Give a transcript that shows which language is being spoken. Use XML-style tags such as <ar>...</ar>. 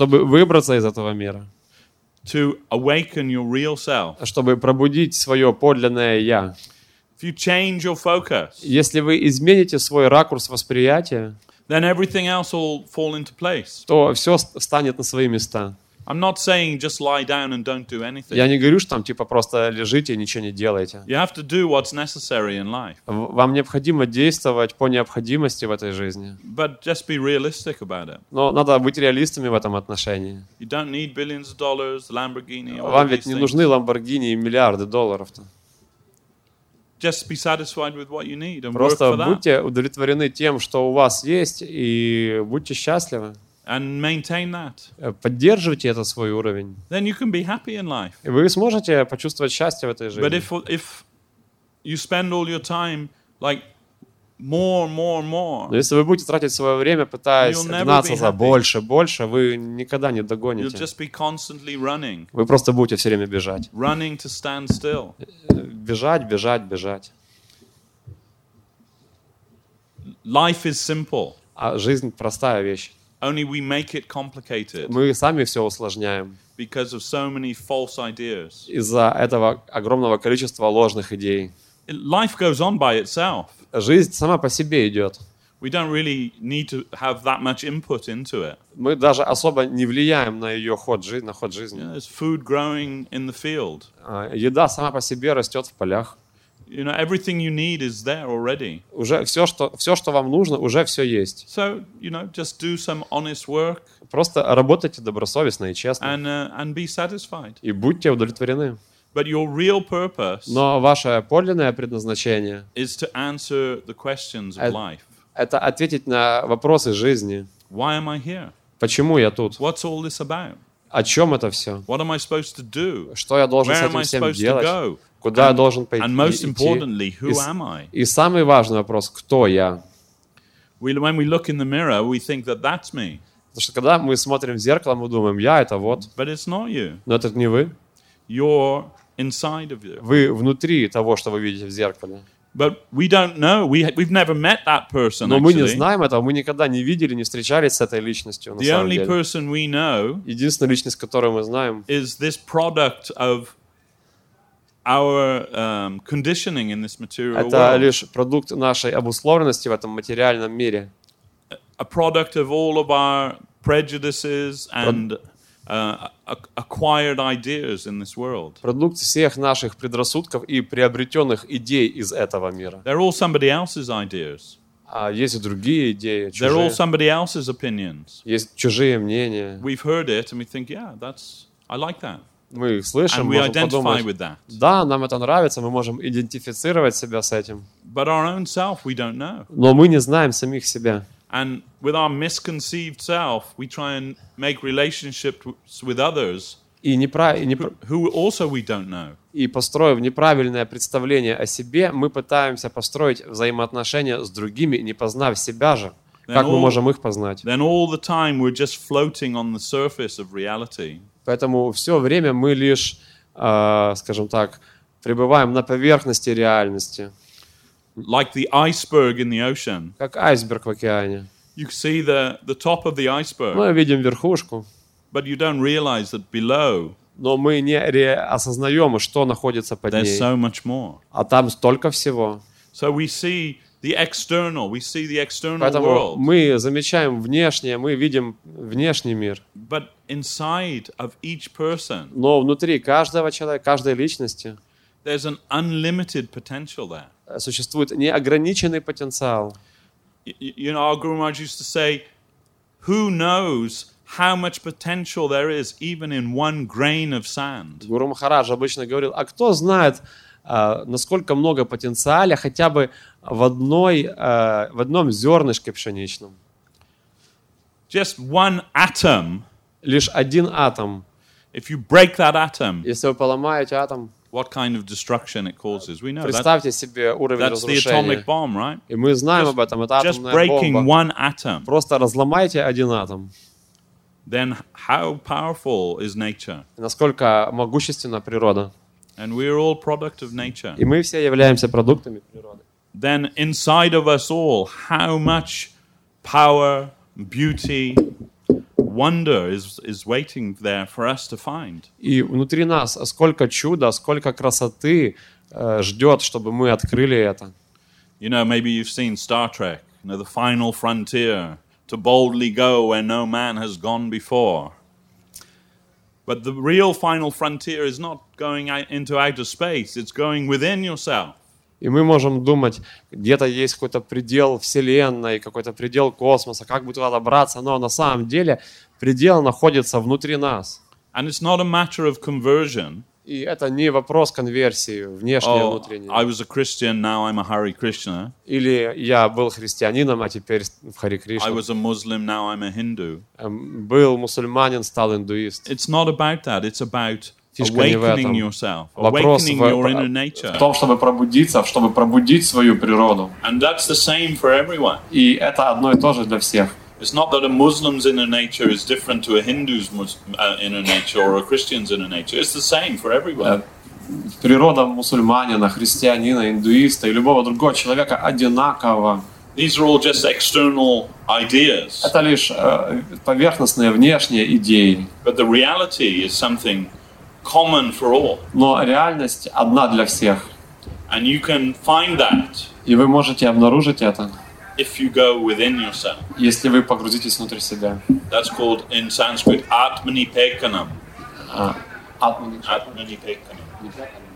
<ru>Чтобы выбраться из этого мира.</ru> <en>To awaken your real self.</en> <ru>Чтобы пробудить свое подлинное я.</ru> <en>If you change your focus.</en> <ru>Если вы измените свой ракурс восприятия.</ru> <en>Then everything else will fall into place.</en> <ru>То все встанет на свои места.</ru> <en>I'm not saying just lie down and don't do anything.</en> <ru>Я не говорю, что там типа просто лежите и ничего не делайте.</ru> <en>You have to do what's necessary in life.</en> <ru>Вам необходимо действовать по необходимости в этой жизни.</ru> <en>But just be realistic about it.</en> <ru>Но надо быть реалистами в этом отношении.</ru> <en>You don't need billions of dollars, Lamborghini.</en> <ru>Вам ведь не нужны Lamborghini и миллиарды долларов-то.</ru> <en>Just be satisfied with what you need and work for</en> <ru>Просто будьте удовлетворены тем, что у вас есть, и будьте счастливы.</ru> <en>And maintain that.</en> <ru>Поддерживайте этот свой уровень.</ru> <en>Then you can be happy in life.</en> <ru>И вы сможете почувствовать счастье в этой жизни.</ru> <en>But if you spend all your time like more.</en> <ru>Но если вы будете тратить свое время, пытаясь гнаться за больше, вы никогда не догоните.</ru> <en>You'll just be constantly running.</en> <ru>Вы просто будете все время бежать.</ru> <en>Running to stand still.</en> <ru>Бежать.</ru> <en>Life is simple.</en> <ru>А жизнь простая вещь.</ru> <en>Only we make it complicated.</en> <ru>Мы сами все усложняем.</ru> <en>Because of so many false ideas.</en> <ru>Из-за этого огромного количества ложных идей.</ru> <en>Life goes on by itself.</en> <ru>Жизнь сама по себе идет.</ru> <en>We don't really need to have that much input into it.</en> <ru>Мы даже особо не влияем на ее ход жизни, на ход жизни.</ru> <en>You know, it's food growing in the field.</en> <ru>Еда сама по себе растет в полях.</ru> <en>You know, everything you need is there already.</en> <ru>Уже все, что вам нужно, уже все есть.</ru> <en>So, you know, just do some honest work.</en> <ru>Просто работайте добросовестно и честно.</ru> <en>And be satisfied.</en> <ru>И будьте удовлетворены.</ru> <en>But your real purpose.</en> <ru>Но ваше подлинное предназначение.</ru> <en>Is to answer the questions of life.</en> <ru>Это ответить на вопросы жизни.</ru> <en>Why am I here?</en> <ru>Почему я тут?</ru> <en>What's all this about?</en> <ru>О чем это все?</ru> <en>What am I supposed to do?</en> <ru>Что я должен</ru> <en>Where</en> <ru>с этим всем</ru> <en>supposed</en> <ru>делать?</ru> <en>To go?</en> <ru>Куда я должен пойти?</ru> <en>And most importantly, who am I?</en> <ru>И самый важный вопрос, кто я?</ru> <en>When we look in the mirror, we think that that's me.</en> <ru>Потому что когда мы смотрим в зеркало, мы думаем, я это вот.</ru> <en>But it's not you.</en> <ru>Но это не вы.</ru> <en>You're inside of you.</en> <ru>Вы внутри того, что вы видите в зеркале.</ru> <en>But we don't know. We've never met that person.</en> <ru>Но мы не знаем этого. Мы никогда не видели, не встречались с этой личностью.</ru> <en>The only person we know.</en> <ru>Единственная личность, которую мы знаем.</ru> <en>Is this product of our conditioning in this material world?</en> <ru>Это лишь продукт нашей обусловленности в этом материальном мире.</ru> <en>A product of all of our prejudices and acquired ideas in this world.</en> <ru>Продукт всех наших предрассудков и приобретенных идей из этого мира.</ru> <en>They're all somebody else's ideas.</en> <ru>А есть и другие идеи, чужие.</ru> <en>They're all somebody else's opinions.</en> <ru>Есть чужие мнения.</ru> <en>We've heard it and we think, yeah, that's I like that.</en> <ru>Мы их слышим, можем</ru> <en>we identify</en> <ru>подумать,</ru> <en>with that.</en> <ru>Да, нам это нравится, мы можем идентифицировать себя с этим.</ru> <en>But our own self, we don't know.</en> <ru>Но мы не знаем самих себя.</ru> <en>And with our misconceived self, we try and make relationships with others who also we don't know.</en> <ru>И построив неправильное представление о себе, мы пытаемся построить взаимоотношения с другими, не познав себя же. Как мы можем их познать?</ru> <en>Then all the time we're just floating on the surface of reality.</en> <ru>Поэтому все время мы лишь, скажем так, пребываем на поверхности реальности.</ru> <en>Like the iceberg in the ocean.</en> <ru>Как айсберг в океане.</ru> <en>You see the top of the iceberg.</en> <ru>Мы видим верхушку.</ru> <en>But you don't realize that below.</en> <ru>Но мы не осознаем, что находится под ней.</ru> <en>There's so much more.</en> <ru>А там столько всего.</ru> <en>So we see the external. We see the external</en> <ru>Поэтому</ru> <en>world.</en> <ru>Поэтому мы замечаем внешнее, мы видим внешний мир.</ru> <en>But inside of each person.</en> <ru>Но внутри каждого человека, каждой личности.</ru> <en>There's an unlimited potential there.</en> <ru>Существует неограниченный потенциал.</ru> <en>You know, our Guru Maharaj used to say, "Who knows how much potential there is even in one grain of sand?"</en> <ru>Гуру Махарадж обычно говорил, а кто знает, насколько много потенциала хотя бы в одной, в одном зернышке пшеничном?</ru> <en>Just one atom.</en> <ru>Лишь один атом.</ru> <en>If you break that atom.</en> <ru>Если вы поломаете атом.</ru> <en>What kind of destruction it causes? We know</en> <ru>Представьте</ru> <en>that,</en> <ru>себе уровень</ru> <en>that's</en> <ru>разрушения.</ru> <en>That's the atomic bomb, right?</en> <ru>И мы знаем об этом. Это атомная бомба.</ru> <en>Just breaking</en> <ru>bomba.</ru> <en>One atom.</en> <ru>Просто разломайте один атом.</ru> <en>Then how powerful is nature?</en> <ru>Насколько могущественна природа?</ru> <en>And we're all product of nature.</en> <ru>И мы все являемся продуктами природы.</ru> <en>Then inside of us all, how much power, beauty, wonder is waiting there for us to find.</en> <ru>И внутри нас сколько чуда, сколько красоты ждет, чтобы мы открыли это.</ru> <en>You know, maybe you've seen Star Trek, you know, the final frontier, to boldly go where no man has gone before. But the real final frontier is not going into outer space, it's going within yourself.</en> <ru>И мы можем думать, где-то есть какой-то предел Вселенной, какой-то предел космоса, как бы туда добраться, но на самом деле предел находится внутри нас.</ru> <en>And it's not a matter of conversion.</en> <ru>И это не вопрос конверсии, внешнее</ru> <en>oh,</en> <ru>внутреннее.</ru> <en>I was a Christian, now I'm a Hare Krishna.</en> <ru>Или я был христианином, а теперь в Харе Кришне.</ru> <en>I was a Muslim, now I'm a Hindu.</en> <ru>Был мусульманин, стал индуист.</ru> <en>It's not about that, it's about Awakening yourself, awakening your inner nature.</en> <ru>В том, чтобы пробудиться, чтобы пробудить свою природу.</ru> <en>And that's the same for everyone.</en> <ru>И это одно и то же для всех.</ru> <en>It's not that a Muslim's inner nature is different to a Hindu's inner nature or a Christian's inner nature. It's the same for everyone.</en> <ru>Природа мусульманина, христианина, индуиста и любого другого человека одинакова.</ru> <en>These are all just external ideas.</en> <ru>Это лишь поверхностные внешние идеи.</ru> <en>But the reality is something common for all.</en> <ru>Но реальность одна для всех.</ru> <en>And you can find that.</en> <ru>И вы можете обнаружить это.</ru> <en>If you go within yourself.</en> <ru>Если вы погрузитесь внутрь себя.</ru> <en>That's called in Sanskrit Atmanipekanam.</en> <sa>Atmanipekanam.</sa>